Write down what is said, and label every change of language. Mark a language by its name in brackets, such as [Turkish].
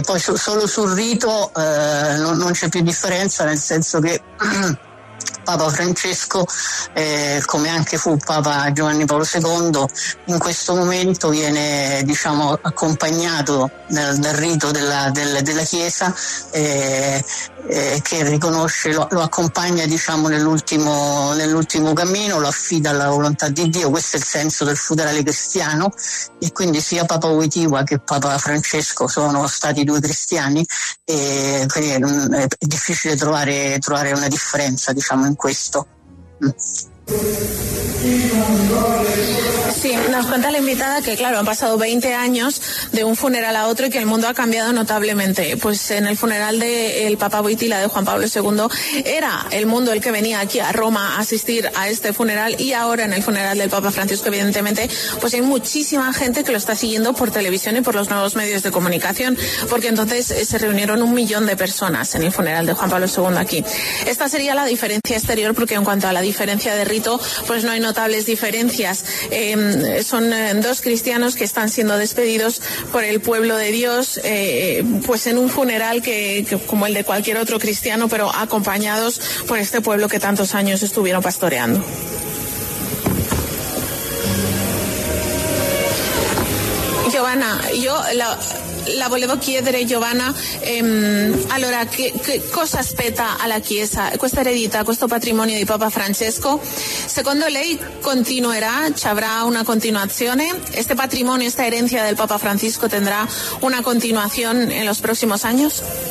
[Italian] Poi solo sul rito non c'è più differenza, nel senso che Papa Francesco, come anche fu Papa Giovanni Paolo II, in questo momento viene diciamo accompagnato dal rito della Chiesa, che riconosce, lo accompagna diciamo nell'ultimo cammino, lo affida alla volontà di Dio. Questo è il senso del funerale cristiano, e quindi sia Papa Wojtyła che Papa Francesco sono stati due cristiani, e quindi è difficile trovare una differenza diciamo in questo. [Spanish] Sí, nos cuenta la invitada que, claro, han pasado 20 años de un funeral a otro y que el mundo ha cambiado notablemente. Pues en el funeral del Papa Wojtyla, de Juan Pablo II, era el mundo el que venía aquí a Roma a asistir a este funeral, y ahora en el funeral del Papa Francisco, evidentemente, pues hay muchísima gente que lo está siguiendo por televisión y por los nuevos medios de comunicación, porque entonces se reunieron 1 millón de personas en el funeral de Juan Pablo II aquí. Esta sería la diferencia exterior, porque en cuanto a la diferencia de rito, pues no hay notables diferencias. Son dos cristianos que están siendo despedidos por el pueblo de Dios, pues en un funeral que como el de cualquier otro cristiano, pero acompañados por este pueblo que tantos años estuvieron pastoreando. [Italian] Giovanna, yo la volevo chiedere, Giovanna, allora che cosa aspetta alla Chiesa questa eredità, questo patrimonio di Papa Francesco? Secondo lei continuerà, ci avrà una continuazione? [Spanish] Este patrimonio, esta herencia del Papa Francisco tendrá una continuación en los próximos años?